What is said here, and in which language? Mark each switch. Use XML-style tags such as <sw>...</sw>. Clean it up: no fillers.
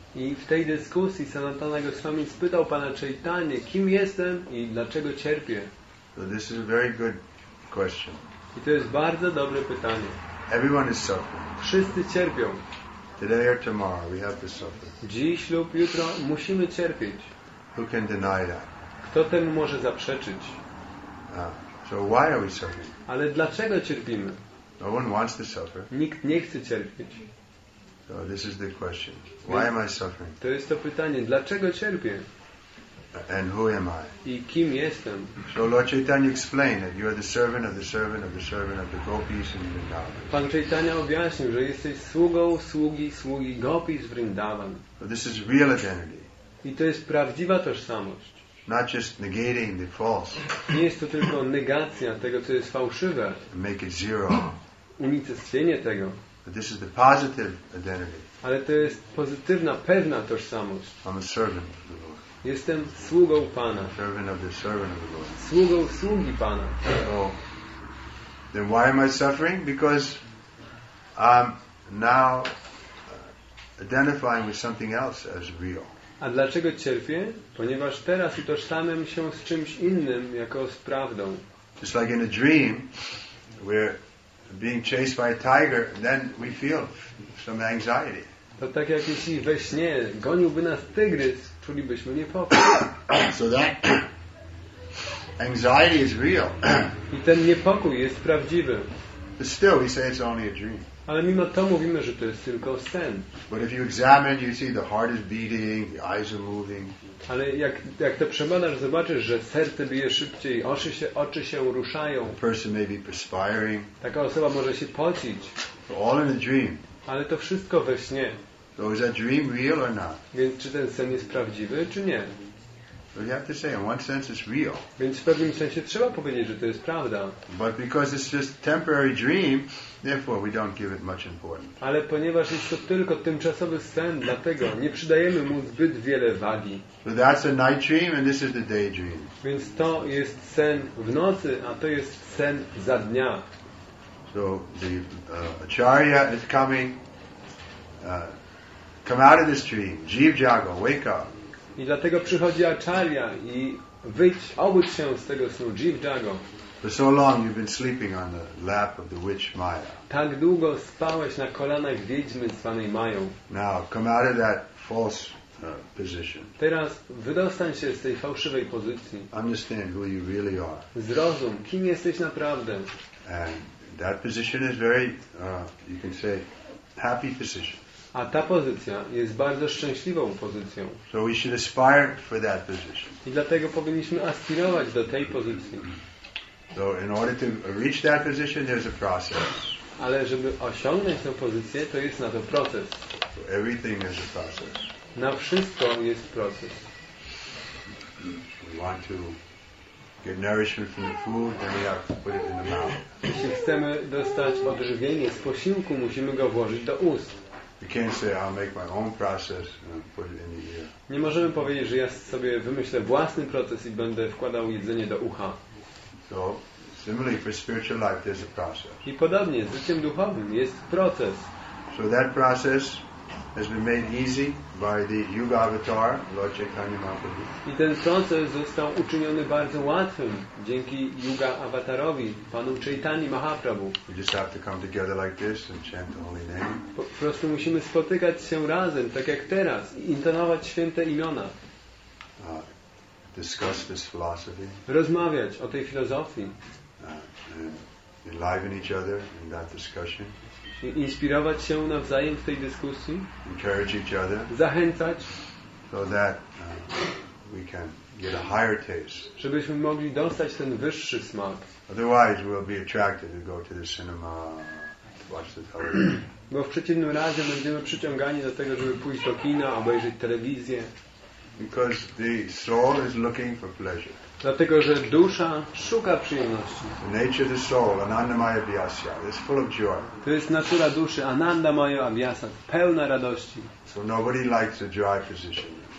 <pl>I w tej dyskusji Sanatana Goswami spytał Pana Chaitanya, kim jestem i dlaczego cierpię?</pl> <en>So this is a very good question.</en> <pl>I to jest bardzo dobre pytanie.</pl> <en>Everyone is suffering.</en> <pl>Wszyscy cierpią.</pl> <en>Today or tomorrow we have to suffer.</en> <pl>Dziś lub jutro musimy cierpieć.</pl> <en>Who can deny that?</en> <pl>Kto temu może zaprzeczyć?</pl> <en>So why are we suffering?</en> <pl>Ale dlaczego cierpimy?</pl> <en>No one wants to suffer.</en> <pl>Nikt nie chce cierpieć.</pl> <en>So this is the question. Why am I suffering?</en> <pl>To jest to pytanie. Dlaczego cierpię?</pl> <en>And who am I?</en> <pl>I kim jestem?</pl> <en>So Lord Chaitanya explained that you are the servant of the servant of the servant of the gopis in Vrindavan.</en> <pl>Pan Chaitanya objaśnił, że jesteś sługą sługi sługi gopis w Vrindavan.</pl> <en>So this is real identity.</en> <pl>I to jest prawdziwa tożsamość.</pl> <en>Not just negating the false.</en> <pl>Nie jest to tylko negacja tego, co jest fałszywe.</pl> <en>Make it zero.</en> <pl>Unicestwienie tego.</pl> <en>But this is the positive identity.</en> <pl>Ale to jest pozytywna, pewna tożsamość.</pl> <en>I'm a servant of the Lord.</en> <pl>Jestem sługą Pana.</pl> <en>Servant of the servant of the Lord.</en> <pl>Sługą sługi Pana.</pl> <en>So, then why am I suffering? Because I'm now identifying with something else as real.</en> <pl>A dlaczego cierpię? Ponieważ teraz utożsamiam się z czymś innym jako z prawdą.</pl> <en>It's like in a dream, we're being chased by a tiger, and then we feel some anxiety.</en> <pl>To tak jak jeśli we śnie goniłby nas tygrys, czulibyśmy niepokój.</pl> <en>So that anxiety is real.</en> <pl>I ten niepokój jest prawdziwy.</pl> <en>But still, we say it's only a dream.</en> <pl>Ale mimo to mówimy, że to jest tylko sen.</pl> <en>But if you examine, you see the heart is beating, the eyes are moving.</en> <pl>Ale jak to przebadasz, zobaczysz, że serce bije szybciej, oczy się ruszają.</pl> <en>The person may be perspiring.</en> <pl>Taka osoba może się pocić.</pl> <en>But all in a dream.</en> <pl>Ale to wszystko we śnie.</pl> <en>So is that dream real or not?</en> <pl>Więc czy ten sen jest prawdziwy, czy nie?</pl> <en>But you have to say, in one sense, it's real.</en> <pl>Więc w pewnym sensie trzeba powiedzieć, że to jest prawda.</pl> <en>But because it's just temporary dream, therefore we don't give it much importance.</en> <pl>Ale ponieważ jest to tylko tymczasowy sen, dlatego nie przydajemy mu zbyt wiele wagi.</pl> <en>So that's a night dream, and this is the day dream.</en> <pl>Więc to jest sen w nocy, a to jest sen za dnia.</pl> <en>So the acharya is coming. Come out of this dream, Jeev Jago, wake up.</en> <pl>I dlatego przychodzi Acharya i wyjdź, obudź się z tego snu, Jeev Jago.</pl> <en>For so long you've been sleeping on the lap of the witch Maya.</en> <pl>Tak długo spałeś na kolanach wiedźmy zwanej Mają.</pl> <en>Now come out of that false position.</en> <pl>Teraz wydostań się z tej fałszywej pozycji.</pl> <en>Understand who you really are.</en> <pl>Zrozum, kim jesteś naprawdę.</pl> <en>And that position is very, you can say, happy position.</en> <pl>A ta pozycja jest bardzo szczęśliwą pozycją.</pl> <en>So we should aspire for that position.</en> <pl>I dlatego powinniśmy aspirować do tej pozycji.</pl> <en>So in order to reach that position, there's a process.</en> <pl>Ale żeby osiągnąć tę pozycję, to jest na to proces.</pl> <en>So everything is a process.</en> <pl>Na wszystko jest proces.</pl> <en>We want to get nourishment from the food, then we have to put it in the mouth.</en> <pl>Jeśli chcemy dostać odżywienie z posiłku, musimy go włożyć do ust.</pl> <en>You can't say I'll make my own process and put it in the ear.</en> <pl>Nie możemy powiedzieć, że ja sobie wymyślę własny proces i będę wkładał jedzenie do ucha.</pl> <en>So, similarly for spiritual life, there's a process.</en> <pl>I podobnie z życiem duchowym jest proces.</pl> <en>So that process has been made easy by the Yuga Avatar, Lord Chaitanya Mahaprabhu.</en> <pl>I ten proces został uczyniony bardzo łatwym dzięki Yuga Avatarowi, Panu Chaitanyi Mahaprabhu.</pl> <en>We just have to come together like this and chant the holy name.</en> <pl>Po prostu musimy spotykać się razem, tak jak teraz, i intonować święte imiona.</pl> <en>Discuss this philosophy.</en> <pl>Rozmawiać o tej filozofii.</pl> <en>Enliven each other in that discussion.</en> <pl>Inspirować się nawzajem w tej dyskusji.</pl> <en>Encourage each other.</en> <pl>Zachęcać.</pl> <en>So that we can get a higher taste.</en> <pl>Żebyśmy mogli dostać ten wyższy smak.</pl> <en>Otherwise we'll be attracted to go to the cinema to watch the television.</en> <pl>Bo w przeciwnym razie będziemy przyciągani do tego, żeby pójść do kina, obejrzeć telewizję.</pl> <en>Because the soul is looking for pleasure.</en> <pl>Dlatego, że dusza szuka przyjemności.</pl> <en>The nature of the soul, Ananda Maya Vyasa, is full of joy.</en> <pl>To jest natura duszy, Ananda Maya Vyasa, pełna radości.</pl> <en>So nobody likes a dry position.</en>